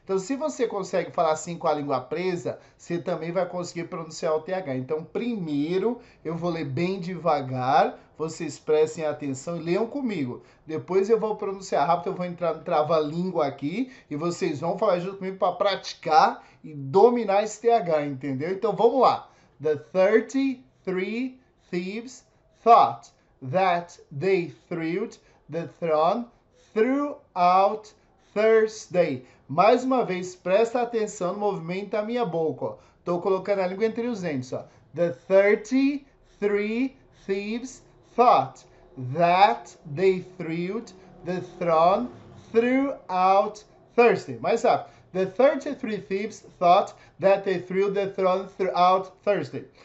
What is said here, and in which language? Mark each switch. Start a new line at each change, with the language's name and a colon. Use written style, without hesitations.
Portuguese: Então, se você consegue falar assim com a língua presa, você também vai conseguir pronunciar o TH. Então, primeiro, eu vou ler bem devagar. Vocês prestem atenção e leiam comigo. Depois eu vou pronunciar rápido, eu vou entrar no trava-língua aqui e vocês vão falar junto comigo para praticar e dominar esse TH, entendeu? Então vamos lá.
English: The 33 thieves thought that they thrilled the throne throughout Thursday.
Portuguese: Mais uma vez, presta atenção no movimento da minha boca. Estou colocando a língua entre os dentes. Ó.
English: The 33 thieves thought that they thrilled the throne throughout Thursday.
Portuguese: Mais rápido.
English: The 33 thieves thought that they thrilled the throne throughout Thursday.